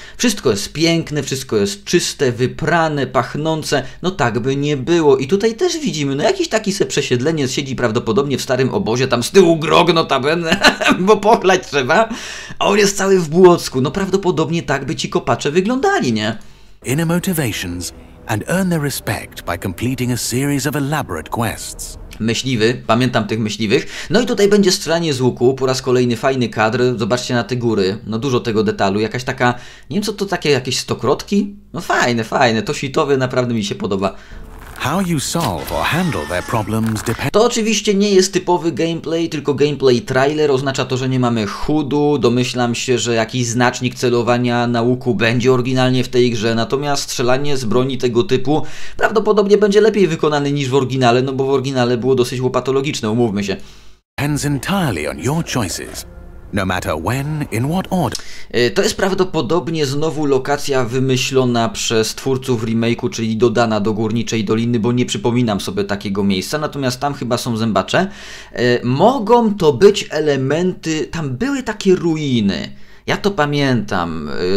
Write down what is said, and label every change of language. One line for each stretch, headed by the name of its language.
Polish: Wszystko jest piękne, wszystko jest czyste, wyprane, pachnące. No tak by nie było. I tutaj też widzimy, no jakiś taki se przesiedleniec siedzi prawdopodobnie w starym obozie, tam z tyłu grog notabene, bo pochlać trzeba. A on jest cały w błocku. No prawdopodobnie tak by ci kopacze wyglądali, nie?
English: Inner motivations and earn their respect by completing a series of elaborate quests.
Polish: Myśliwy, pamiętam tych myśliwych. No i tutaj będzie strzelanie z łuku, po raz kolejny fajny kadr. Zobaczcie na te góry, no dużo tego detalu. Jakaś taka, nie wiem co to takie, jakieś stokrotki? No fajne, fajne, to sitowe naprawdę mi się podoba.
English: How you solve or handle their problems depend...
Polish: To oczywiście nie jest typowy gameplay, tylko gameplay trailer. Oznacza to, że nie mamy HUD-u. Domyślam się, że jakiś znacznik celowania na łuku będzie oryginalnie w tej grze. Natomiast strzelanie z broni tego typu prawdopodobnie będzie lepiej wykonane niż w oryginale, no bo w oryginale było dosyć łopatologiczne, umówmy się.
English: Depends entirely on your choices. No matter when, in what order.
Polish: To jest prawdopodobnie znowu lokacja wymyślona przez twórców remake'u, czyli dodana do Górniczej Doliny, bo nie przypominam sobie takiego miejsca, natomiast tam chyba są zębacze. Mogą to być elementy, tam były takie ruiny, ja to pamiętam.